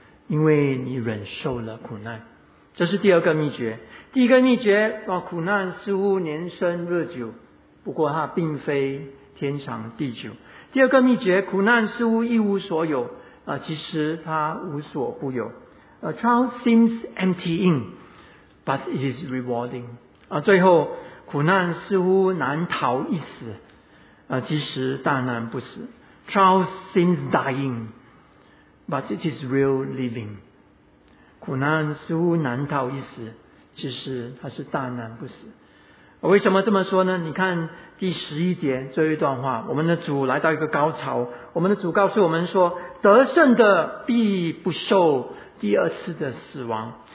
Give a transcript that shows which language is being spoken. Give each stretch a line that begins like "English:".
Chinese: 因为你忍受了苦难。这是第二个秘诀。第一个秘诀，苦难似乎年深日久，不过它并非天长地久。第二个秘诀，苦难似乎一无所有，其实它无所不有。
English: Trials seems emptying, but it is rewarding.
Chinese: 最后，苦难似乎难逃一死，其实大难不死。
English: Trials seems dying, but it is real living.
Chinese: 苦难似乎难逃一死，其实它是大难不死。为什么这么说呢？你看第十一节这一段话，我们的主来到一个高潮，我们的主告诉我们说，得胜的必不受第二次的死亡。